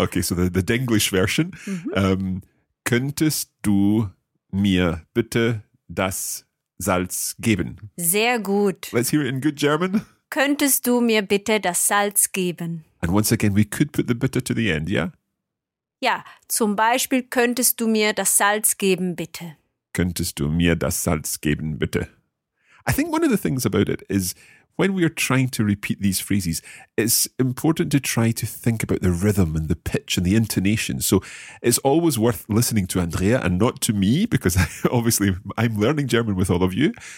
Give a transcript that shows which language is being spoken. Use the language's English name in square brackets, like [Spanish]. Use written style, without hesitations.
[English] Okay, so the Denglish version. [German] Mm-hmm. Könntest du mir bitte das Salz geben? Sehr gut. [English] Let's hear it in good German. [German] Könntest du mir bitte das Salz geben? [English] And once again, we could put the bitte to the end, yeah? [German] Ja, zum Beispiel, könntest du mir das Salz geben, bitte? Könntest du mir das Salz geben, bitte? [English] I think one of the things about it is when we are trying to repeat these phrases, it's important to try to think about the rhythm and the pitch and the intonation. So it's always worth listening to Andrea and not to me, because obviously I'm learning German with all of you.